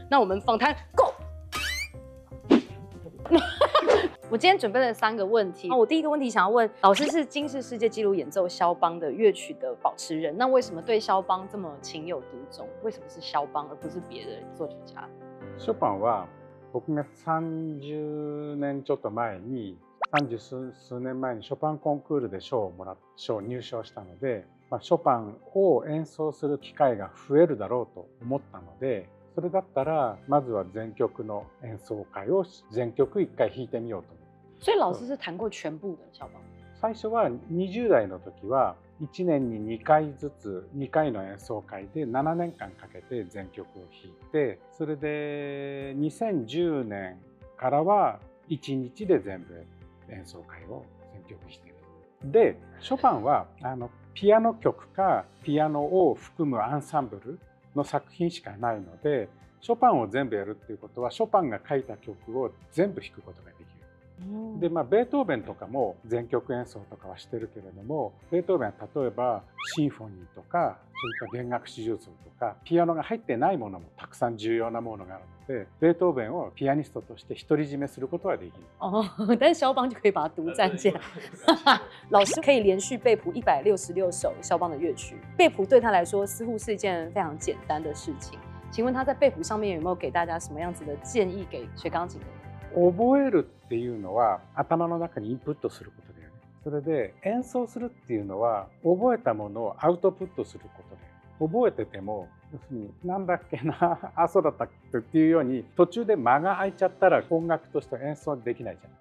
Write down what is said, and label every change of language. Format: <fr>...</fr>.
<zh>那我们访谈 Go。我今天准备了三个问题，我第一个问题想要问老师，是今世世界纪录演奏肖邦的乐曲的保持人，那为什么对肖邦这么情有独钟？为什么是肖邦而不是别的作曲家？</zh> <ja>肖邦は僕が30年ちょっと前に30数年前にショパンコンクールで賞をもらって賞入賞したので、まあ、ショパンを演奏する機会が増えるだろうと思ったので、それだったらまずは全曲の演奏会を全曲一回弾いてみようと思って。</ja> <zh>所以老师是弹过全部的肖邦？</zh> <ja>最初は20代の時は1年に2回ずつ2回の演奏会で7年間かけて全曲を弾いて、それで2010年からは1日で全部演奏会を全曲してる。でショパンはあのピアノ曲かピアノを含むアンサンブルの作品しかないので、ショパンを全部やるっていうことはショパンが書いた曲を全部弾くことができる。で、まあ、ベートーベンとかも全曲演奏とかはしてるけれども、ベートーベンは例えばシンフォニーとかそういった弦楽四重奏とかピアノが入ってないものもたくさん重要なものがあるので、ベートーベンをピアニストとして独り占めすることはできる。</ja> <zh>但肖邦就可以把它独占起来。老师可以连续背谱166首肖邦的乐曲，背谱对他来说似乎是一件非常简单的事情，请问他在背谱上面有没有给大家什么样子的建议给学钢琴的人？</zh> <ja>覚えるっていうのは頭の中にインプットすることだよね。それで演奏するっていうのは覚えたものをアウトプットすることだよ。覚えてても要するに何だっけなあそうだったっていうように途中で間が空いちゃったら音楽として演奏できないじゃん。</ja>